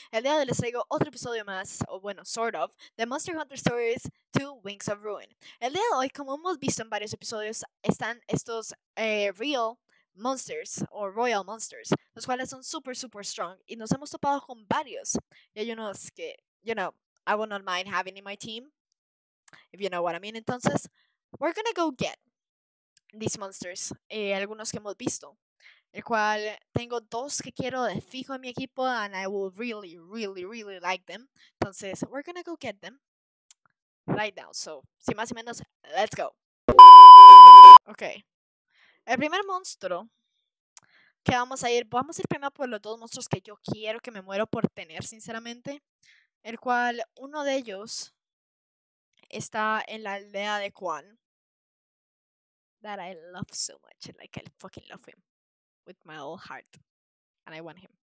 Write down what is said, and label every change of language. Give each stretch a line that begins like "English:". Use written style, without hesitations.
Spanish: El día de hoy les traigo otro episodio más, o bueno,
English: sort of,
Spanish: de Monster Hunter Stories 2 Wings of Ruin. El día de hoy, como hemos visto en varios episodios, están estos
English: real monsters,
Spanish: o
English: royal monsters,
Spanish: los cuales son súper, súper strong, y nos hemos topado con varios. Y hay unos que,
English: you know, I would not mind having in my team, if you know what I mean. Entonces, we're gonna go get these monsters,
Spanish: algunos que hemos visto. El cual tengo dos que quiero de fijo en mi equipo,
English: and I will really, really, really like them. Entonces, we're gonna go get them right now. So,
Spanish: sin más y menos,
English: let's go. Okay.
Spanish: El primer monstruo que vamos a ir primero por los dos monstruos que yo quiero, que me muero por tener, sinceramente. El cual, uno de ellos está en la aldea de Quan.
English: That I love so much, like I fucking love him. With my whole heart, and I want him.